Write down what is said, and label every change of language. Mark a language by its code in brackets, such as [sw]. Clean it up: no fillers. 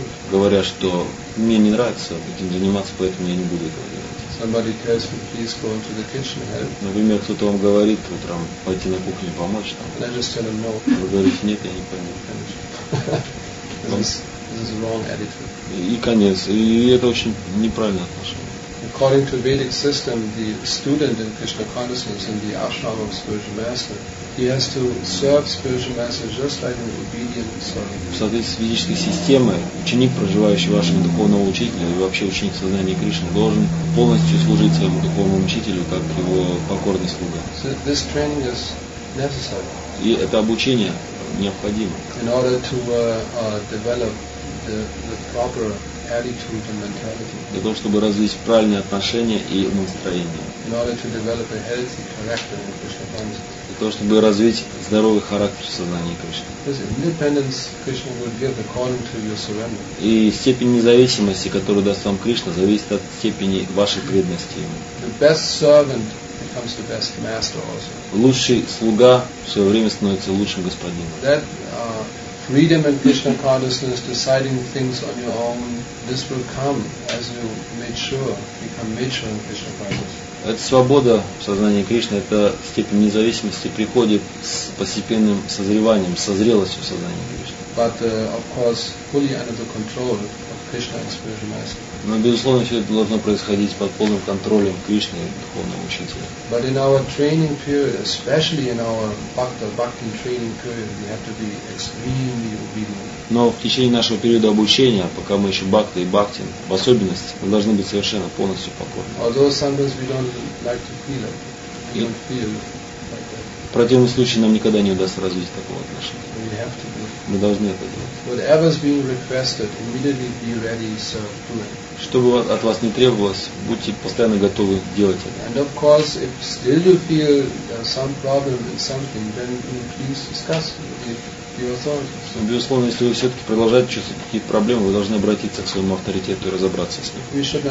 [ru] Говоря, что мне не нравится этим заниматься, поэтому я не буду этого делать. [en] Somebody tells me, please go into the kitchen and help. [ru] Например, кто-то вам говорит утром пойти на кухню помочь там. [en] And I just tell him no. [ru] Вы говорите нет, я не пойму. [en] This is a wrong attitude. [ru] И конец. И это очень неправильное отношение. [en] According to Vedic system, the student in Krishna consciousness in the ashram of spiritual master, he has to serve spiritual master just like an obedient servant. [ru] В соответствии с ведической системой, ученик, проживающий вашим духовным учителем, и вообще ученик сознания Кришны, должен полностью служить своему духовному учителю, как его покорный слуга. [en] So this training is necessary. [ru] И это обучение необходимо. [en] In order to develop the proper attitude and mentality. [ru] Для того, чтобы развить правильные отношения и настроение. [en] In order to develop a healthy character in Krishna consciousness. [ru] Для того, чтобы развить здоровый характер сознания Кришны. [en] This independence Krishna will give according to your surrender. [ru] И степень независимости, которую даст вам Кришна, зависит от степени вашей преданности ему. [en] The best servant becomes the best master also. [ru] Лучший слуга в свое время становится лучшим господином. [en] That freedom in Krishna consciousness, deciding things on your own, this will come as you become mature in Krishna consciousness. [ru] Это свобода в сознании Кришны, это степень независимости приходит с постепенным созреванием, со зрелостью в сознании Кришны. [en] But of course, fully under the control of Krishna and spiritual master. [ru] Но безусловно, все это должно происходить под полным контролем Кришны и духовного учителя. [en] But in our training period, especially in our bhakti training period, we have to be extremely obedient. [ru] Но в течение нашего периода обучения, пока мы еще бхакты и бхакти, в особенности, мы должны быть совершенно полностью покорны. [en] Although sometimes we don't like to feel it, we don't feel it. [ru] В противном случае нам никогда не удастся развить такого отношения. Мы должны это делать. Что бы от вас ни требовалось, будьте постоянно готовы делать это. [en] And of course, if still you feel some problem in something, then please discuss with [ru] Безусловно, если вы все-таки продолжаете чувствовать какие-то проблемы, вы должны обратиться к своему авторитету и разобраться с ним.